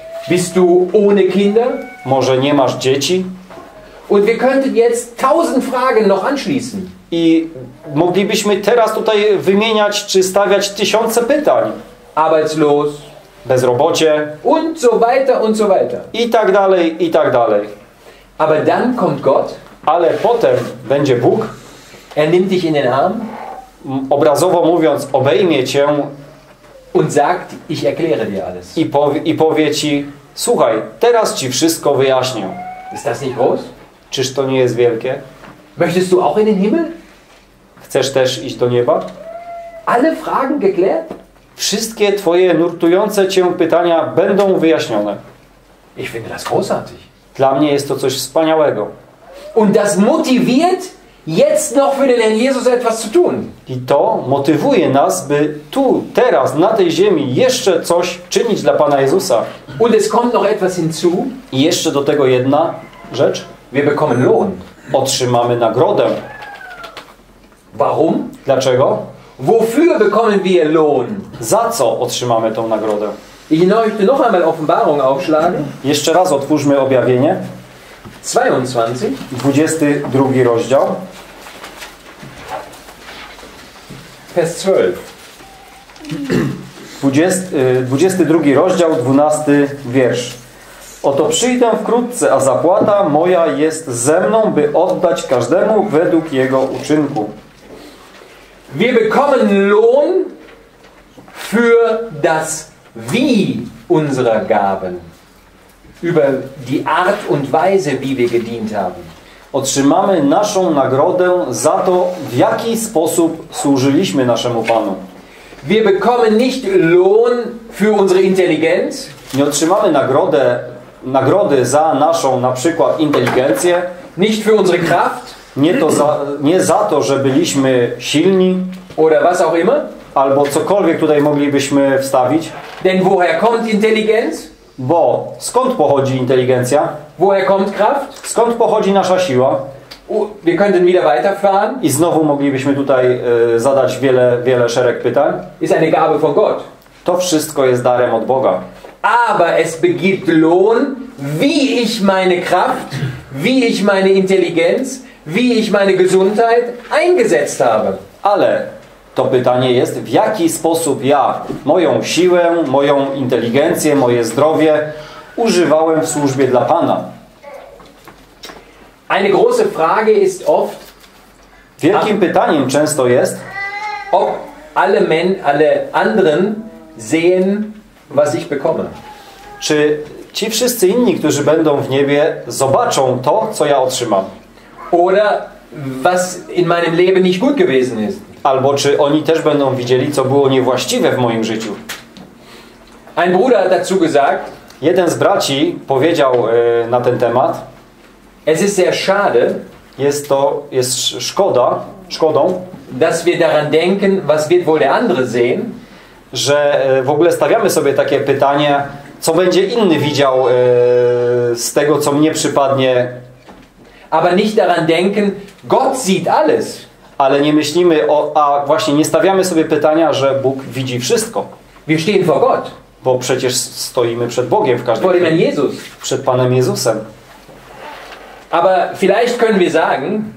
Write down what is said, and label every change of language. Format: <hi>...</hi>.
<de>Bist du ohne Kinder?</de> <pl>Może nie masz dzieci?</pl> <de>Und wir könnten jetzt tausend Fragen noch anschließen.</de> <pl>I moglibyśmy teraz tutaj wymieniać czy stawiać tysiące pytań.</pl> <de>Arbeitslos.</de> <pl>Bezrobocie.</pl> <de>Und so weiter und so weiter.</de> <pl>I tak dalej, i tak dalej.</pl> <de>Aber dann kommt Gott.</de> <pl>Ale potem będzie Bóg.</pl> <de>Er nimmt dich in den Arm.</de> <pl>Obrazowo mówiąc, obejmie cię.</pl> <de>Und sagt, ich erkläre dir alles.</de> <pl>I powie ci, słuchaj, teraz ci wszystko wyjaśnię.</pl> <de>Ist das nicht groß?</de> <pl>Czyż to nie jest wielkie?</pl> <de>Möchtest du auch in den Himmel?</de> <pl>Chcesz też iść do nieba?</pl> <de>Alle Fragen geklärt?</de> <pl>Wszystkie twoje nurtujące cię pytania będą wyjaśnione.</pl> <de>Ich finde das großartig.</de> <pl>Dla mnie jest to coś wspaniałego.</pl> <de>Und das motiviert jetzt noch für den Herrn Jesus etwas zu tun.</de> <pl>I to motywuje nas, by tu, teraz, na tej ziemi jeszcze coś czynić dla Pana Jezusa.</pl> <de>Und es kommt noch etwas hinzu.</de> <pl>I jeszcze do tego jedna rzecz.</pl> <de>Wir bekommen Lohn.</de> <pl>Otrzymamy nagrodę.</pl> <de>Warum?</de> <pl>Dlaczego?</pl> <de>Wofür bekommen wir Lohn?</de> <pl>Za co otrzymamy tą nagrodę?</pl> <de>Ich möchte noch einmal Offenbarung aufschlagen.</de> <pl>Jeszcze raz otwórzmy objawienie.</pl> <de>22.</de> <pl>22 rozdział.</pl> <de>Vers 12.</de> <pl>22 rozdział, 12 wiersz. Oto przyjdę wkrótce, a zapłata moja jest ze mną, by oddać każdemu według jego uczynku.</pl> <de>Wir bekommen Lohn für das Wie unserer Gaben. Über die Art und Weise, wie wir gedient haben.</de> <pl>Otrzymamy naszą nagrodę za to, w jaki sposób służyliśmy naszemu Panu.</pl> <de>Wir bekommen nicht Lohn für unsere Intelligenz.</de> <pl>Nie otrzymamy nagrody za naszą, na przykład, inteligencję.</pl> <de>Nicht für unsere Kraft.</de> <pl>Nie za to, że byliśmy silni.</pl> <de>Oder was auch immer.</de> <pl>Albo cokolwiek tutaj moglibyśmy wstawić.</pl> <de>Denn woher kommt Intelligenz?</de> <pl>Bo skąd pochodzi inteligencja?</pl> <de>Woher kommt Kraft?</de> <pl>Skąd pochodzi nasza siła?</pl> <de>Wir könnten wieder weiterfahren.</de> <pl>I znowu moglibyśmy tutaj zadać wiele szereg pytań.</pl> <de>Ist eine Gabe von Gott.</de> <pl>To wszystko jest darem od Boga.</pl> <de>Aber es begibt Lohn, wie ich meine Kraft, wie ich meine Intelligenz, wie ich meine Gesundheit eingesetzt habe.</de> <pl>Ale to pytanie jest, w jaki sposób ja moją siłę, moją inteligencję, moje zdrowie używałem w służbie dla Pana.</pl> <de>Eine große Frage ist oft,</de> <pl>wielkim pytaniem często jest,</pl> <de>ob alle anderen sehen, was ich bekomme.</de> <pl>Czy ci wszyscy inni, którzy będą w niebie, zobaczą to, co ja otrzymam?</pl> <de>Oder was in meinem Leben nicht gut gewesen ist.</de> <pl>Albo czy oni też będą widzieli, co było niewłaściwe w moim życiu?</pl> <de>Ein Bruder hat dazu gesagt,</de> <pl>jeden z braci powiedział na ten temat.</pl> <de>Es ist sehr schade,</de> <pl>jest szkodą,</pl> <de>dass wir daran denken, was wird wohl der andere sehen.</de> <pl>Że w ogóle stawiamy sobie takie pytanie, co będzie inny widział z tego, co mnie przypadnie.</pl> <de>Aber nicht daran denken, Gott sieht alles.</de> <pl>Ale nie myślimy o, a właśnie nie stawiamy sobie pytania, że Bóg widzi wszystko.</pl> <de>Wir stehen vor Gott.</de> <pl>Bo przecież stoimy przed Bogiem w każdym razie.</pl> <de>Vor dem Jesus.</de> <pl>Przed Panem Jezusem.</pl> <de>Aber vielleicht können wir sagen,</de>